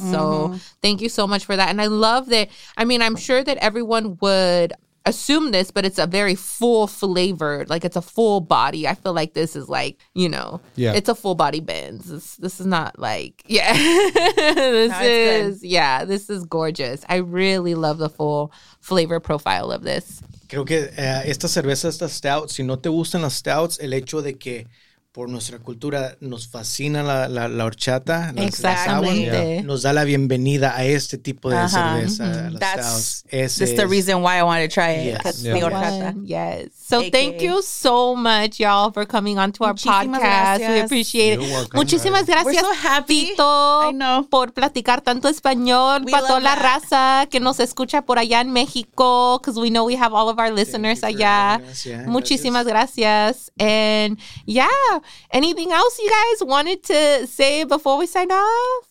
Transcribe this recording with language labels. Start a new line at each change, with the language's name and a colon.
English: Mm-hmm. So thank you so much for that. And I love that. I mean, I'm sure that everyone would assume this, but it's a very full flavored, like it's a full body. I feel like this is like, you know, it's a full body Benz. This is not like, this is gorgeous. I really love the full flavor profile of this.
Spanish: Creo que esta cerveza, esta stout, si no te gustan las stouts, el hecho de que por nuestra cultura nos fascina la horchata, las aguas, nos da la bienvenida a este tipo de cerveza.
English: That's the reason why I wanted to try it. Yes. The horchata. Yes. So thank you so much, y'all, for coming on to our podcast.
Spanish: Gracias.
English: We appreciate it. Welcome,
Spanish: muchísimas gracias.
English: We're so happy. Tito, I know.
Spanish: Por platicar tanto español. Para toda la raza que nos escucha por allá en México.
English: Because we know we have all of our listeners allá.
Spanish: Muchísimas gracias.
English: And anything else you guys wanted to say before we sign off?